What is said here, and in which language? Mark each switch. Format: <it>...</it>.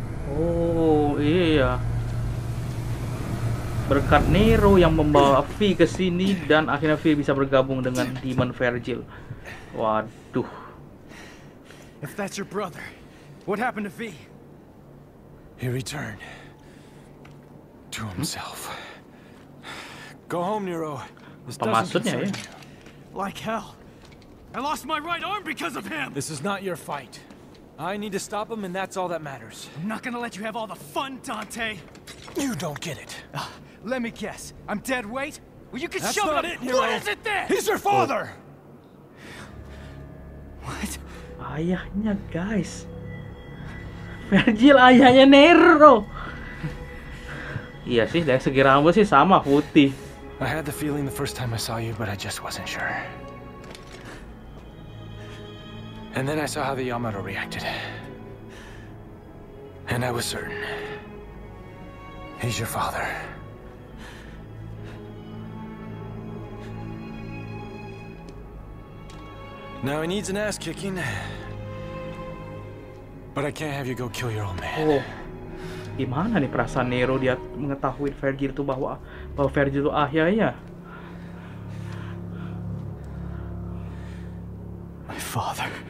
<id>Oh iya, berkat Nero yang membawa V ke sini dan akhirnya V bisa bergabung dengan Demon Virgil. Waduh.</id> <en>If that's your brother, what happened to V? He returned to himself. Go home, Nero. This</en> <id>maksudnya ya?</id> <en>Like hell. I lost my right arm because of him. This is not your fight. I need to stop him, and that's all that matters. I'm not gonna let you have all the fun, Dante. You don't get it. Let me guess. I'm dead weight. Well, you can that's shove not it. Nero. What is it then? He's your father. Oh. What?</en> <id>Ayahnya, guys. Virgil ayahnya Nero. Iya sih, dari segi rambut sih sama putih.</id> <en>I had the feeling the first time I saw you, but I just wasn't sure. And then I saw how the Yamato reacted. And I was certain. He's your father. Now he needs an ass kicking. But I can't have you go kill your old man. Oh,</en> <id>gimana nih perasaan Nero dia mengetahui Vergil itu bahwa Vergil itu ayahnya.</id> <en>My father.</en>